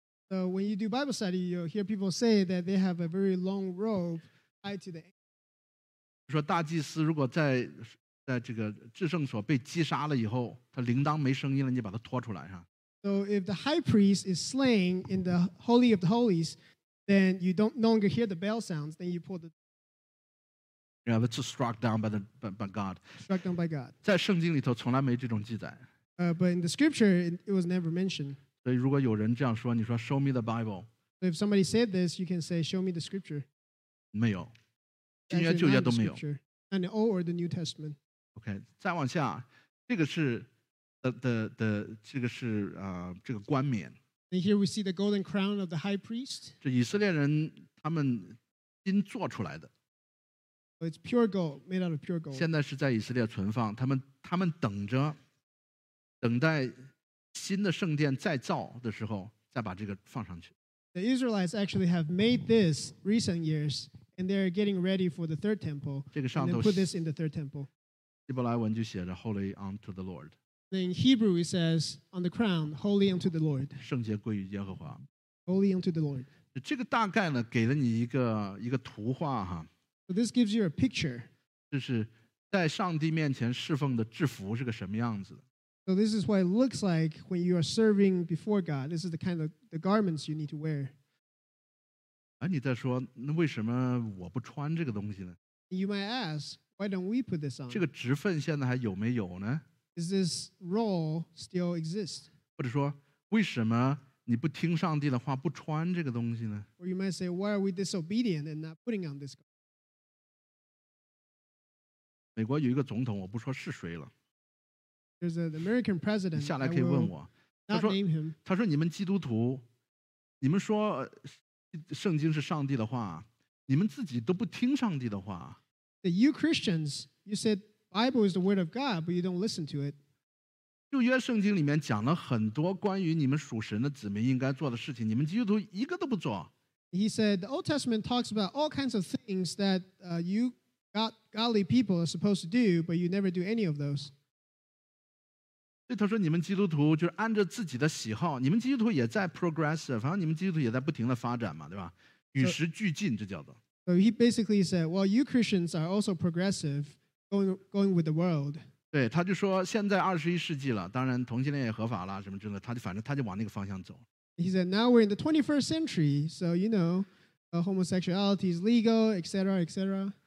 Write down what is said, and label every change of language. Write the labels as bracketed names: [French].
[English] So when you do Bible study, you'll hear people say that they have a very long robe tied to the ankle. [Chinese] 说大祭司如果在这个至圣所被击杀了以后，他铃铛没声音了，你把他拖出来哈。 [English] So if the high priest is slain in the holy of the holies, then you don't no longer hear the bell sounds. Then you pull the. Yeah, that's struck down by God. Struck down by God. [Chinese] 在圣经里头从来没这种记载。 [English] But in the scripture, it was never mentioned. [Chinese] 所以如果有人这样说，你说 [English] show me the Bible。 So、if somebody said this, you can say show me the scripture。 [Chinese] 没有，新约旧约都没有。 [English] And the Old or the New Testament。 [Chinese] OK， 再往下，这个是的这个是这个冠冕。 [English] And here we see the golden crown of the high priest。 [Chinese] 这以色列人他们金做出来的。 [English] So、it's pure gold, made out of pure gold。 [Chinese] 现在是在以色列存放，他们等待。新的圣殿再造的时候再把这个放上去。 [English] The Israelites actually have made this recent years and they're getting ready for the third temple. [Chinese] 这个上头 [English] put this in the third temple. [Chinese] 希伯来文就写着 [English] holy unto the Lord. In Hebrew it says on the crown holy unto the Lord. [Chinese] 圣洁归于耶和华。 [English] Holy unto the Lord. [Chinese] 这个大概呢给了你一个图画哈。 [English] So this gives you a picture. [Chinese] 就是在上帝面前侍奉的制服是个什么样子的。 [English] So this is what it looks like when you are serving before God. This is the kind of the garments you need to wear. [Chinese] 你在说那为什么我不穿这个东西呢？ [English] You might ask, why don't we put this on? [Chinese] 这个职分现在还有没有呢？ [English] Is this role still exist? [Chinese] 或者说为什么你不听上帝的话不穿这个东西呢？ [English] Or you might say, why are we disobedient and not putting on this garment? [Chinese] 美国有一个总统，我不说是谁了。 [English] There's an American president. [Chinese] 下来可以问我。他说你们基督徒，你们说圣经是上帝的话，你们自己都不听上帝的话。 [English] You Christians, you said Bible is the word of God, but you don't listen to it. [Chinese] 旧约圣经里面讲了很多关于你们属神的子民应该做的事情，你们基督徒一个都不做。 [English] He said the Old Testament talks about all kinds of things that you godly people are supposed to do, but you never do any of those. [Chinese] 所以他说你们基督徒就是按着自己的喜好，你们基督徒也在 progressive， 反正你们基督徒也在不停的发展嘛，对吧，与时俱进，这叫做。 [English] So he basically said, well, you Christians are also progressive, going with the world. [Chinese] 对，他就说现在二十一世纪了，当然同性恋也合法了什么之类的，他就往那个方向走。 [English] He said, now we're in the 21st century, so you know, homosexuality is legal, etc, etc.